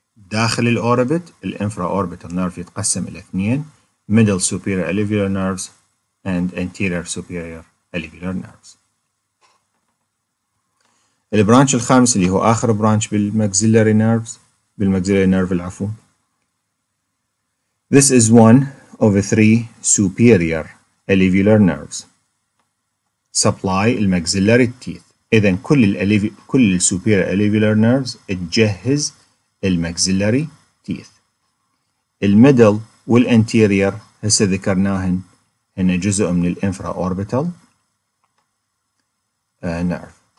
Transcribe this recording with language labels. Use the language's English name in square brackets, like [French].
[Arabic] داخل الاوربت الانفراوربيتال نيرف يتقسم الى اثنين [English] middle superior alveolar nerves and anterior superior alveolar nerves. [Arabic] البرانش الخامس اللي هو آخر برانش بالمكسيلاري نيرفز بالمكسيلاري نيرف العفو. [English] This is one of the three superior alveolar nerves. Supply المكسيلاري teeth. [Arabic] إذا كل [English] السuperior alveolar nerves تجهز المكسيلاري teeth. [Arabic] الميدل والانتيرير هسه ذكرناهن هن جزء من الانفراوربيتال نيرف.